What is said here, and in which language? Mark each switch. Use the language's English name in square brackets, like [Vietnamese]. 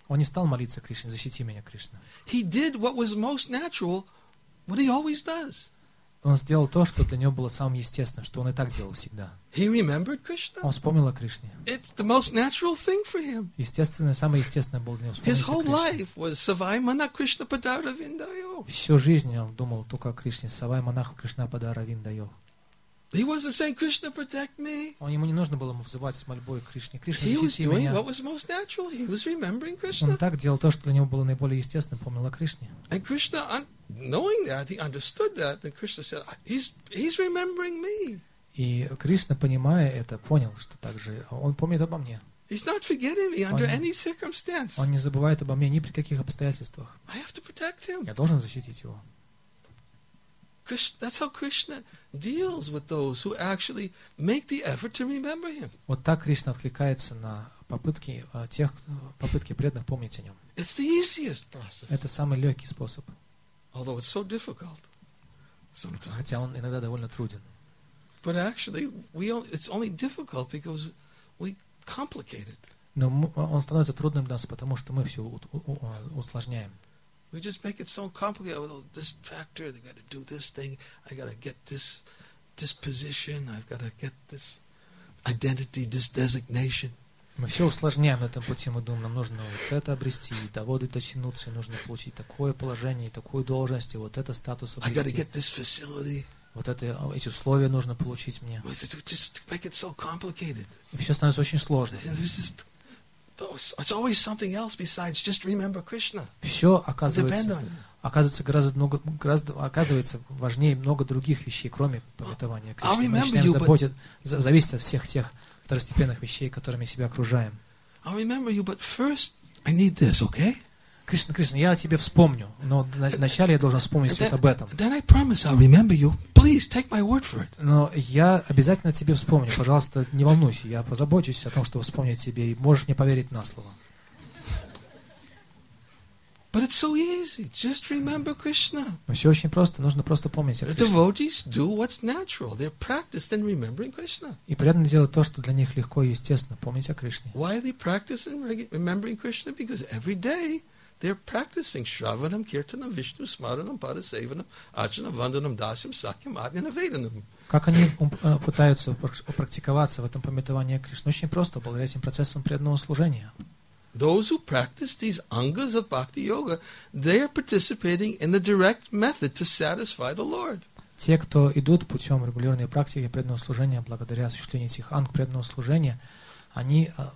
[Russian] Он не стал молиться Кришне, защити меня, Кришна. [English] He did what was most natural, what he always does. [Russian] Он сделал то, что для него было самым естественным, что он и так делал всегда. [English] He remembered Krishna. [Russian] Он вспомнил о Кришне. [English] It's the most natural thing for him. [Russian] Естественное, самое естественное было для него вспомнить. [English] His whole life was [Sanskrit] Savai Manah Krishna Padara Vindayo. [Russian] Всю жизнь он думал только о Кришне, Савай Манах Кришна Падара Виндайо. [English] He wasn't saying, "Krishna, protect me." [Russian] Он ему не нужно было ему взывать с мольбой Кришне, Кришна, защити меня. [English] He was doing what was most natural. He was remembering Krishna. [Russian] Он так делал то, что для него было наиболее естественно, помнил о Кришне. [English] And Krishna, knowing that, he understood that. And Krishna said, "He's remembering me." [Russian] И Кришна, понимая это, понял, что также он помнит обо мне. [English] He's not forgetting me under any circumstance. [Russian] Он не забывает обо мне ни при каких обстоятельствах. [English] I have to protect him. [Russian] Я должен защитить его. [English] That's how Krishna deals with those who actually make the effort to remember him. [Russian] Вот так Кришна откликается на попытки тех, попытки преданных помнить о нем. [English] It's the easiest process. [Russian] Это самый легкий способ. [English] Although it's so difficult sometimes. [Russian] Хотя он иногда довольно труден. [English] But actually, it's only difficult because we complicate it. [Russian] Но он становится трудным для нас, потому что мы все усложняем. [English] We just make it so complicated. Well, this factor, I got to do this thing. I got to get this disposition. I've got to get this identity, this designation. [Russian] Мы все усложняем на этом пути. Мы думаем, нам нужно вот это обрести, и до воды дотянуться, и нужно получить такое положение, и такую должность, и вот этот статус обрести. [English] I got to get this facility. [Russian] Вот это, эти условия нужно получить мне. [English] Just make it so complicated. [Russian] И все становится очень сложно. [English] It's always something else besides just remember Krishna. [Russian] Все оказывается важнее много других вещей, кроме поклонения Кришне. Мы начинаем зависеть от всех тех второстепенных вещей, которыми себя окружаем. [English] I'll remember you, but first I need this, okay? [Russian] Кришна, я о тебе вспомню, но вначале я должен вспомнить вот об этом. [English] Then I promise I'll remember you. Please take my word for it. [Russian] Но я обязательно тебе вспомню. Пожалуйста, не волнуйся, я позабочусь о том, чтобы вспомнить тебе, и можешь мне поверить на слово. [English] But it's so easy. Just remember Krishna. [Russian] Но все очень просто. Нужно просто помнить о Кришне. [English] Devotees do what's natural. They're practiced in remembering Krishna. [Russian] И преданные делают то, что для них легко и естественно, помнить о Кришне. [English] Why are they practicing remembering Krishna? Because every day they're practicing Shravanam, Kirtanam, Vishnu, Smaranam, Parasevanam, Achanam, Vandanam, Dasyam, Sakyam, Adhyanam, Vedanam. [Russian] Как они пытаются практиковаться в этом памятовании Кришны? Очень просто, благодаря этим процессам преданного служения. [English] Those who practice these angas of bhakti yoga, they are participating in the direct method to satisfy the Lord. [Russian] Те, кто идут путем регулярной практики преданного служения, благодаря осуществлению этих анг преданного служения, они...